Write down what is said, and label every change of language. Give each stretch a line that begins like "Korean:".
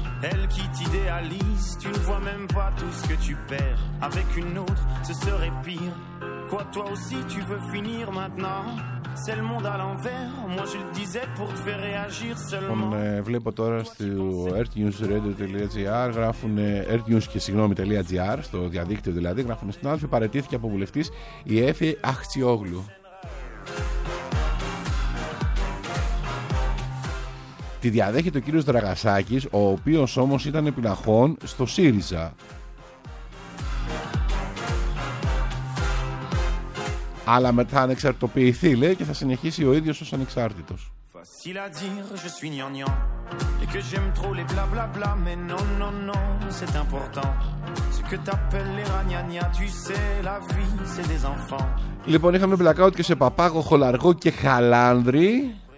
French: Elle qui t'idéalise, tu ne vois même pas tout ce que tu perds. Avec une autre, ce serait pire. Quoi, toi aussi, tu veux finir maintenant? C'est le monde à l'envers. Moi, je le disais pour te faire réagir seulement.
Greek: Βλέπω τώρα στο earthnewsradio.gr, γράφουν earthnews.gr, στο διαδίκτυο δηλαδή, γράφουν στην άλφη, παραιτήθηκε από βουλευτής η Έφη Αχτσιόγλου. Τη διαδέχεται ο κύριος Δραγασάκης, ο οποίος όμως ήταν επιναχών στο ΣΥΡΙΖΑ. Αλλά μετά θα ανεξαρτητοποιηθεί, λέει, και θα συνεχίσει ο ίδιος ως ανεξάρτητος.
French: Facile à dire, je suis gnangnan. Et que j'aime trop les bla bla bla. Mais non, c'est important. Ce que t'appelles les ragnagna, tu sais, la vie, c'est des enfants.
Greek: Λοιπόν, είχαμε blackout και σε Παπάγο, Χολαργό και Χαλάνδρη.